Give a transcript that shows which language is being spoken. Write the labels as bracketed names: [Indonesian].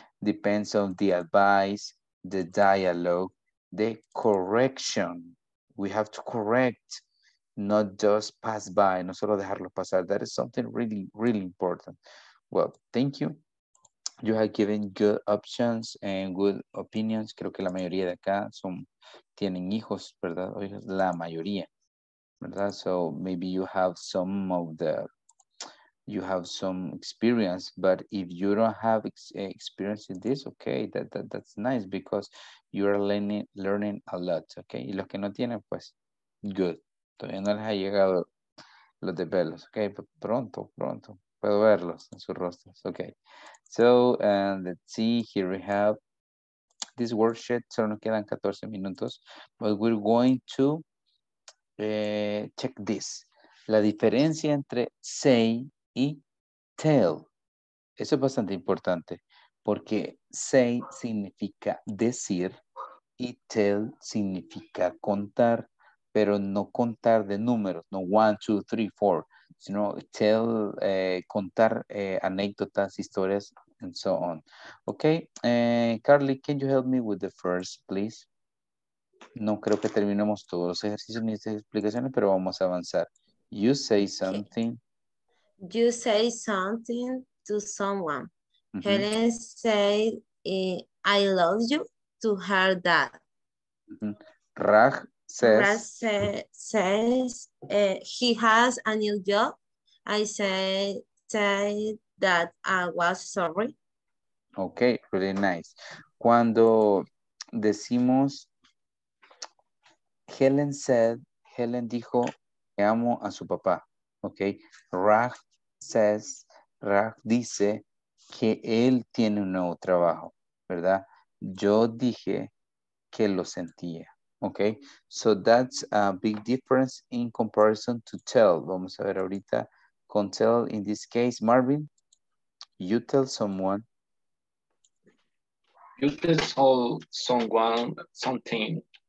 [English] Depends on the advice, the dialogue, the correction. We have to correct, not just pass by, no solo dejarlo pasar. That is something really, really important. Well, thank you. You have given good options and good opinions. [Spanish] Creo que la mayoría de acá son, tienen hijos, ¿verdad? La mayoría, ¿verdad? [English] So maybe you have some of the, you have some experience, but if you don't have experience in this, okay, that's nice, because you are learning a lot, okay? [Spanish] Y los que no tienen, pues, good. Todavía no les ha llegado los de pelos, ok, pronto, puedo verlos en sus rostros, ok. [English] So, let's see, here we have this worksheet, solo nos quedan 14 minutos, but we're going to check this. [Spanish] La diferencia entre say y tell, eso es bastante importante, porque say significa decir y tell significa contar. Pero no contar de números, no 1, 2, 3, 4, sino tell, contar anécdotas, historias, and so on. [English] Okay, Carly, can you help me with the first, please? [Spanish] No creo que terminemos todos los ejercicios ni estas explicaciones, pero vamos a avanzar. [English] You say something. Okay. You say something to someone. Mm-hmm. Helen said, I love you to her dad. Mm-hmm. Raj. Says he has a new job. I say that I was sorry. Okay, really nice. [Spanish] Cuando decimos, Helen said, Helen dijo, que amo a su papá. Okay, Raj says, Raj dice que él tiene un nuevo trabajo, ¿verdad? Yo dije que lo sentía. [English] Okay, so that's a big difference in comparison to tell. Vamos a ver ahorita con tell in this case. Marvin, you tell someone. You tell someone something.